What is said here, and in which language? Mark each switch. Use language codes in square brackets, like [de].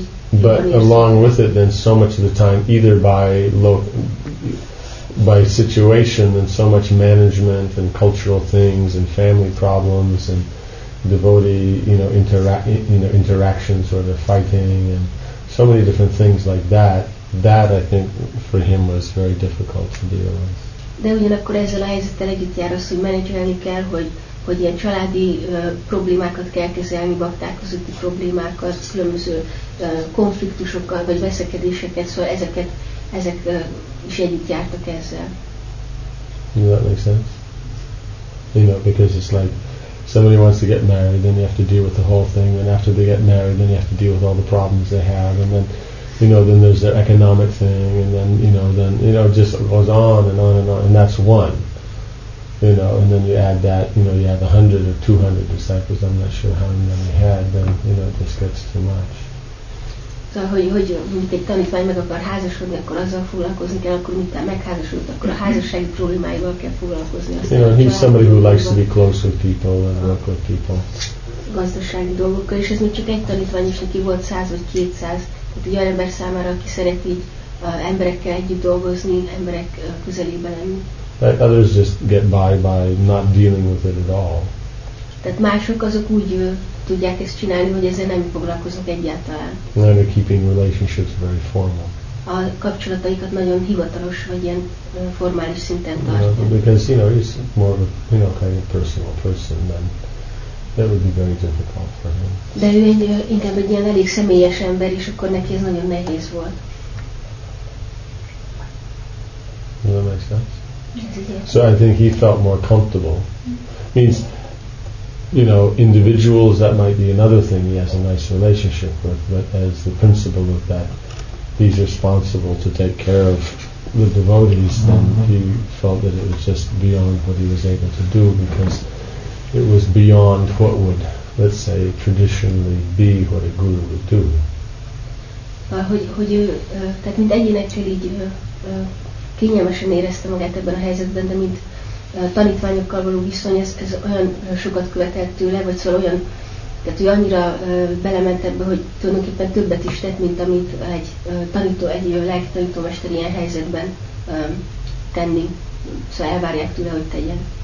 [en] But along with it, then so much of the time, either by situation, and so much management and cultural things and family problems and devotee, interactions where they're fighting and so many different things like that. That I think for him was very difficult to deal with. [hu] De ugyanakkor ezzel a helyzettel együtt jár az, hogy menedzselni kell, hogy ilyen családi problémákat kell kezelni, bakták közötti problémákat, különböző konfliktusokkal vagy veszekedéseket, szóval ezek is együtt jártak ezzel. [en] Does that make sense? Because it's like somebody wants to get married, then you have to deal with the whole thing, and after they get married, then you have to deal with all the problems they have, and then then there's their economic thing, and then it just goes on and on and on, and that's one. And then you add that, you have 100 or 200 disciples, I'm not sure how many they had, then it just gets too much. [hu] Szóval, hogy mondjuk egy tanítvány meg akar házasodni, akkor azzal foglalkozni kell, akkor miután megházasodott, akkor a házassági problémáival kell foglalkozni. [en] He's somebody who likes to be close with people and work with people. [hu] gazdasági dolgokkal, és ez még csak egy tanítvány is, aki volt 100 vagy 200. Tehát egy olyan ember számára, aki szereti emberekkel együtt dolgozni, emberek közelében lenni. [en] Like others just get by not dealing with it at all. [hu] Tehát mások azok úgy tudják ezt csinálni, hogy ezzel nem foglalkoznak egyáltalán. [en] And they're keeping relationships very formal. [hu] A kapcsolataikat nagyon hivatalos vagy ilyen formális szinten tartják. [en] Because you know, he's more of a, you know, kind of personal person, then that would be very difficult for him. [hu] De ő egy, inkább egy ilyen elég személyes ember, és akkor neki ez nagyon nehéz volt. [en] Does that make sense? So I think he felt more comfortable. Means, you know, individuals, that might be another thing he has a nice relationship with, but as the principle of that he's responsible to take care of the devotees, then he felt that it was just beyond what he was able to do, because it was beyond what would, let's say, traditionally be what a guru would do. [hu] Kényelmesen érezte magát ebben a helyzetben, de mint tanítványokkal való viszony, ez olyan sokat követett tőle, vagy szóval olyan, tehát ő annyira belement ebbe, hogy tulajdonképpen többet is tett, mint amit egy tanító, egy lelki tanítómester ilyen helyzetben tenni, szóval elvárják tőle, hogy tegyen.